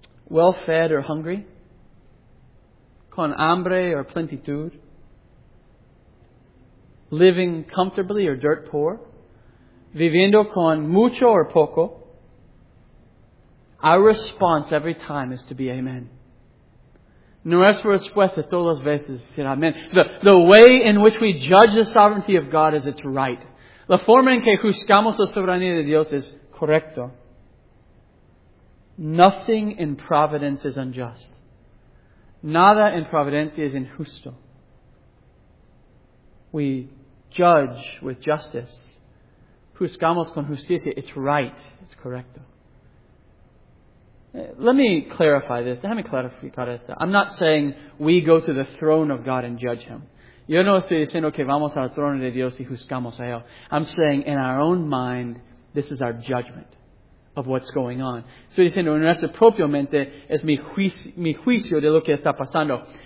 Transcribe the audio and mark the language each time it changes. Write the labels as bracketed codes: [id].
[en] Well-fed or hungry, [es] con hambre [en] or plenitud, living comfortably or dirt poor, [es] viviendo con mucho or poco, [en] our response every time is to be amen. [es] Nuestra respuesta todas las veces será amen. [en] The way in which we judge the sovereignty of God is it's right. [es] La forma en que juzgamos la soberanía de Dios es correcto. [en] Nothing in providence is unjust. [es] Nada en providencia es injusto. [en] We judge with justice. [es] Juzgamos con justicia. [en] It's right. It's correcto. Let me clarify this. [es] Déjame clarificar esto. [en] I'm not saying we go to the throne of God and judge Him. [es] Yo no estoy diciendo que vamos al trono de Dios y juzgamos a Él. [en] I'm saying in our own mind, this is our judgment of what's going on. So he's saying, [es] en nuestra propia mente, es mi juicio de lo que está pasando.